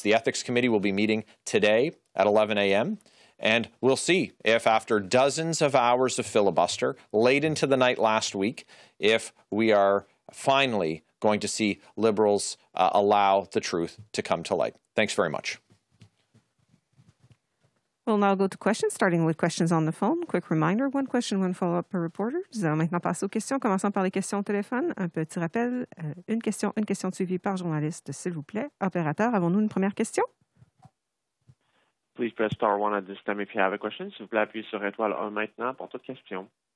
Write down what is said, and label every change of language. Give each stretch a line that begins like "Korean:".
English: The Ethics Committee will be meeting today at 11 a.m., and we'll see if after dozens of hours of filibuster, late into the night last week, if we are finally going to see Liberals allow the truth to come to light. Thanks very much. We'll now go to questions, starting with questions on the phone. Quick reminder, one question, one follow-up per reporter.
French: Nous allons maintenant passer aux questions, commençant par les questions au téléphone. Un petit rappel, une question suivie par journaliste, s'il vous plaît. Opérateur, avons-nous une première question?
English: Please press star one at this time if you have a question.
French: S'il vous plaît, appuyez sur étoile 1 maintenant pour toute question.